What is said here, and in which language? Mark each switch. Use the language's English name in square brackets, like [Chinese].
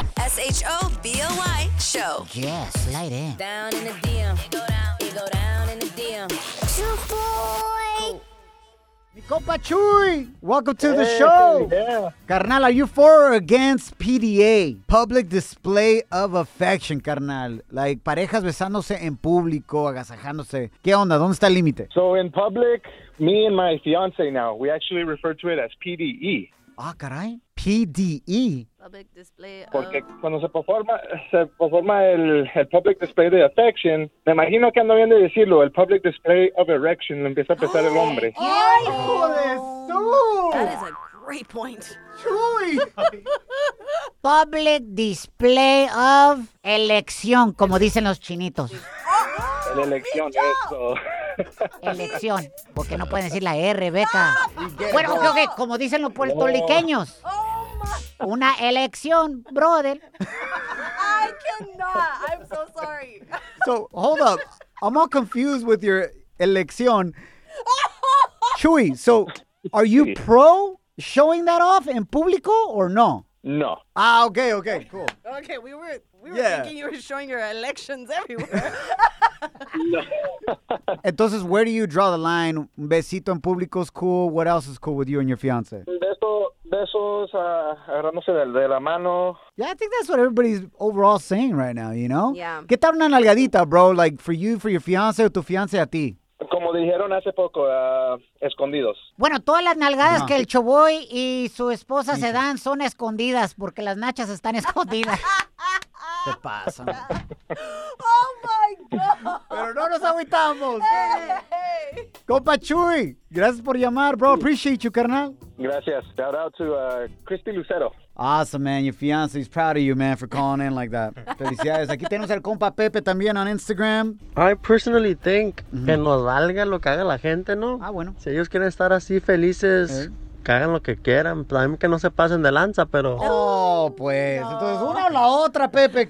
[English] S-H-O-B-O-Y Show. Yeah, slide in. Down in the DM. You go down in the DM. Shaboy. [Spanish] Mi compa Chuy, [English] welcome to the show. Yeah. Carnal, are you for or against PDA? Public display of affection, carnal. [Spanish] Like, parejas besándose en público, agasajándose. ¿Qué onda? ¿Dónde está el límite? [English] So, in public, me and my fiance now, we actually refer to it as PDE. [Spanish] Ah, caray. PDE. [English] Public display of... [Spanish] Porque cuando se forma el public display de affection, me imagino que ando bien de decirlo, el [English] public display of erection, [Spanish] lo empieza a pesar el hombre. ¡Ay, hijo de su! [English] That is a great point. [Spanish] ¡Chuy! Public display of elección, como dicen los chinitos. La elección, eso. Elección, porque no pueden decir la R, Beca. Bueno, ok, como dicen los puertorriqueños. Una elección, brother. [English] I cannot. I'm so sorry. So, hold up. I'm all confused with your elección. Chuy, so are you pro showing that off in público or no? No. Ah, okay, cool. Okay, we were thinking you were showing your elections everywhere. [Spanish] Entonces, [English] where do you draw the line? [Spanish] Un besito en público [English] is cool. What else is cool with you and your fiance? [Spanish] Besos, agarrándose de la mano. [English] Yeah, I think that's what everybody's overall saying right now, you know? Yeah. [Spanish] ¿Qué tal una nalgadita, bro? Like, for you, for your fiance, o tu fiance a ti? Como dijeron hace poco, escondidos. Bueno, todas las nalgadas que el Choboy y su esposa se dan son escondidas, porque las nachas están escondidas. ¿Qué pasa? [English] Oh, my God. [Spanish] Pero no nos agüitamos. Hey. Compa Chuy, gracias por llamar, bro. [English] Appreciate you, carnal. [Spanish] Gracias. [English] Shout out to Christy Lucero. Awesome, man. Your fiance is proud of you, man, for calling in like that. [Spanish] Felicidades. Aquí tenemos al compa Pepe también [English] on Instagram. I personally think [Spanish] que nos valga lo que haga la gente, ¿no? Ah, bueno. Si ellos quieren estar así felices, que hagan lo que quieran. También que no se pasen de lanza, pero... Oh, pues. No. Entonces, una o la otra, Pepe.